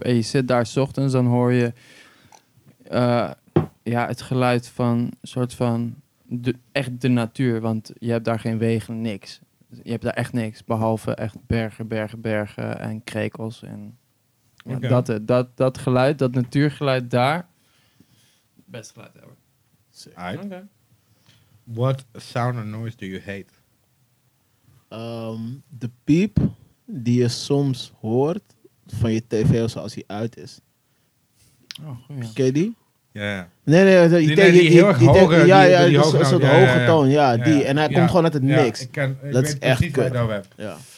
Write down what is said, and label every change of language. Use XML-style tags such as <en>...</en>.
<nl>En je zit daar 's ochtends, dan hoor je het geluid van soort van echt de natuur. Want je hebt daar geen wegen, niks. Je hebt daar echt niks, behalve echt bergen en krekels en... Ja, okay. Dat geluid, dat natuurgeluid daar. Best geluid ever.</nl> <en>Sick. Okay. What sound or noise do you hate?</en> <nl>De piep die je soms hoort van je tv zoals hij uit is. Oh, goed. Ken je die? Ja. Yeah. Nee, die tegen die heel erg hoge. Ja, ja, een soort hoge toon. Ja, die. En hij komt gewoon uit het niks. Dat is echt kut. Ja.</nl>